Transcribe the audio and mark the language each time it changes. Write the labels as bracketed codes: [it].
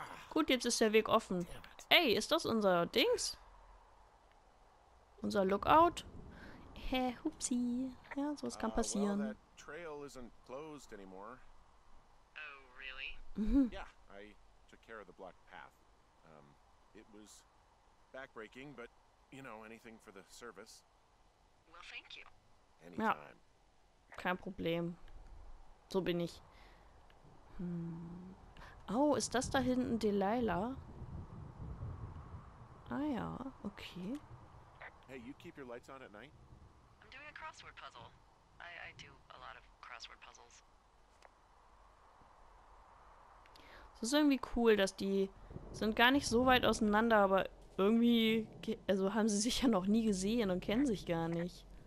[de] Gut, jetzt ist der Weg offen. Ey, ist das unser Dings? Unser Lookout? Hä, hupsi. Ja, sowas kann passieren. [en] Well, that trail isn't closed anymore. Oh, really? Yeah, I took care of the blocked path. It was backbreaking, but you know, anything for the service. Well, thank you. Anytime. [de] Ja. Kein Problem. So bin ich. Oh, ist das da hinten Delilah? Ah ja, okay. [en] Hey, you keep your lights on at night? I'm doing a crossword puzzle. I do a lot of crossword puzzles. [de] Das ist irgendwie cool, dass die sind gar nicht so weit auseinander, aber irgendwie, also haben sie sich ja noch nie gesehen und kennen sich gar nicht.